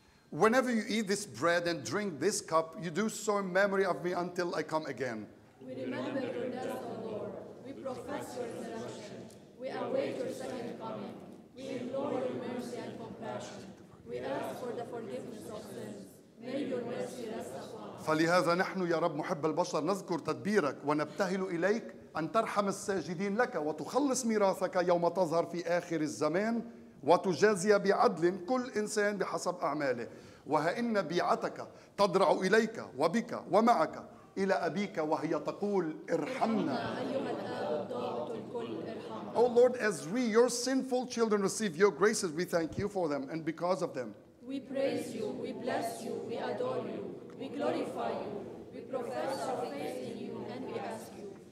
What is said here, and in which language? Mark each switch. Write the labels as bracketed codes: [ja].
[en] Whenever you eat this bread and drink this cup, you do so in memory of me until I come again. We remember your death, O Lord. We profess your resurrection. We await your second coming. We implore your mercy and compassion. [ar] فلهذا نحن يا رب محب البشر نذكر تدبيرك ونبتهل إليك أن ترحم الساجدين لك وتخلص ميراثك يوم تظهر في آخر الزمان وتجازي بعدل كل إنسان بحسب أعماله وها إن بيعتك تدرع إليك وبك ومعك إلى أبيك وهي تقول ارحمنا [en] Oh Lord, as we, your sinful children, receive your graces, we thank you for them and because of them. We praise you, we bless you, we adore you, we glorify you, we profess our faith in you and we ask you.